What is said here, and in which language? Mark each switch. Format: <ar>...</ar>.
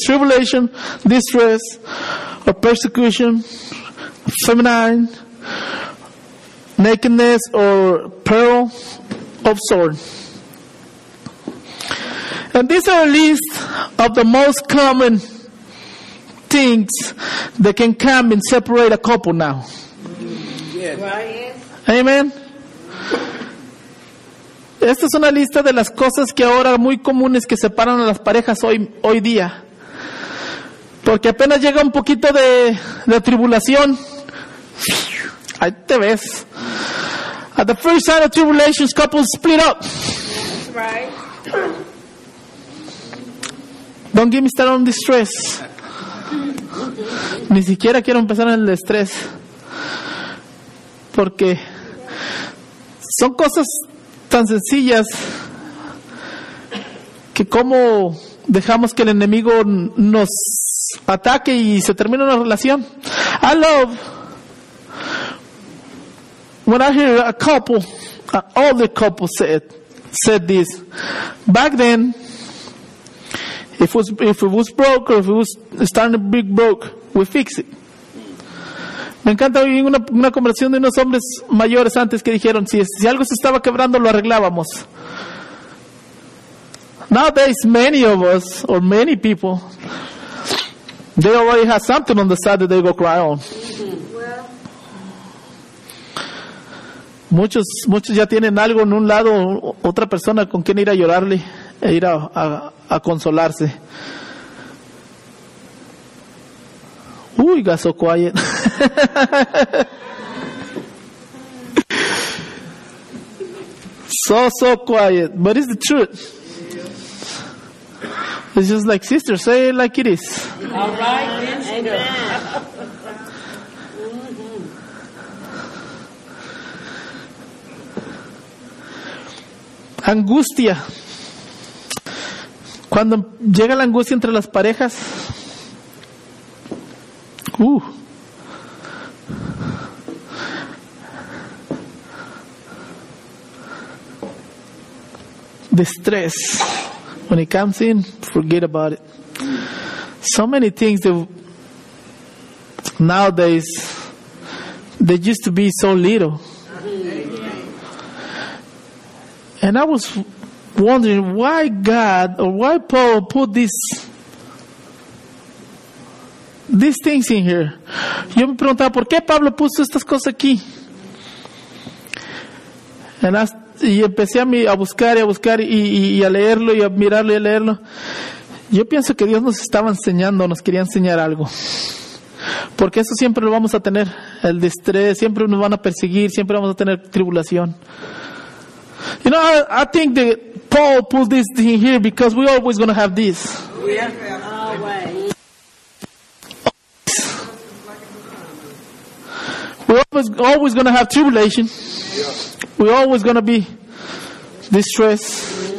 <en>Tribulation, distress, or persecution, famine, nakedness, or peril of sword. And these are a list of the most common things that can come and separate a couple now. Yes. Amen.</en> <es>Esta es una lista de las cosas que ahora muy comunes que separan a las parejas hoy día. Porque apenas llega un poquito de tribulación, ahí te ves.</es> <en>At the first sign of tribulations, couples split up. Right. Don't get me started on distress.</en> <es>Ni siquiera quiero empezar en el estrés. Porque son cosas tan sencillas que cómo dejamos que el enemigo nos ataque y se termina una relación.</es> <en>I love when I hear a couple, an older couple said this. Back then, if it was broke or if it was starting to be broke, we fix it.</en> <es>Me encanta oír una conversación de unos hombres mayores antes que dijeron, si algo se estaba quebrando, lo arreglábamos.</es> <en>Nowadays, many of us, or many people, they already have something on the side that they go cry on.</en> <es>Muchos ya tienen algo en un lado, otra persona con quien ir a llorarle e ir a consolarse.</es> <en>Uy, got so quiet. so quiet. But it's the truth. It's just like, sister, say it like it is. All right, then, sister.</en> <es>Angustia. Cuando llega la angustia entre las parejas, distress.</es> <en>When it comes in, forget about it. So many things that nowadays, they used to be so little. And I was wondering why God or why Paul put these things in here.</en> <es>Yo me preguntaba por qué Pablo puso estas cosas aquí. Y empecé a buscar y a leerlo. Yo pienso que Dios nos estaba enseñando, nos quería enseñar algo. Porque eso siempre lo vamos a tener, el estrés, siempre nos van a perseguir, siempre vamos a tener tribulación.</es> <en>You know, I think that Paul put this thing here because we're always going to have this. We're always going to have tribulation. We're always going to be distressed.</en>